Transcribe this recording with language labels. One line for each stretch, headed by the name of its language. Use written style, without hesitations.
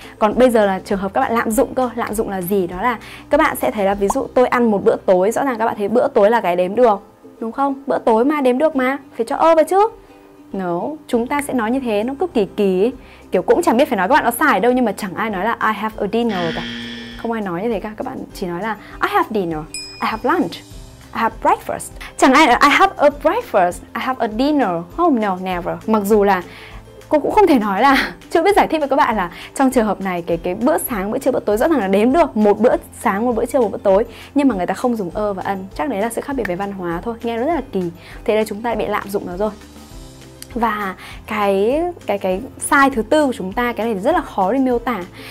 Vietnamese: Còn bây giờ là trường hợp các bạn lạm dụng cơ. Lạm dụng là gì? Đó là các bạn sẽ thấy là ví dụ tôi ăn một bữa tối, rõ ràng các bạn thấy bữa tối là cái đếm được, đúng không? Bữa tối mà đếm được mà, phải cho ơ vào chứ. No, chúng ta sẽ nói như thế, nó cứ kỳ. Kiểu cũng chẳng biết phải nói các bạn nó sai đâu, nhưng mà chẳng ai nói là
English: I have a dinner
Vietnamese: cả. Không ai nói như thế cả, các bạn chỉ nói là
English: I have dinner, I have lunch, I have breakfast.
Vietnamese: Chẳng ai là
English: I have a breakfast, I have a dinner. Oh no, never.
Vietnamese: Mặc dù là cô cũng không thể nói là, chưa biết giải thích với các bạn là trong trường hợp này cái bữa sáng, bữa trưa, bữa tối rõ ràng là đếm được, một bữa sáng, một bữa trưa, một bữa tối, nhưng mà người ta không dùng ơ và ân. Chắc đấy là sự khác biệt về văn hóa thôi. Nghe nó rất là kỳ. Thế là chúng ta bị lạm dụng nó rồi. Và cái sai thứ tư của chúng ta, cái này rất là khó để miêu tả.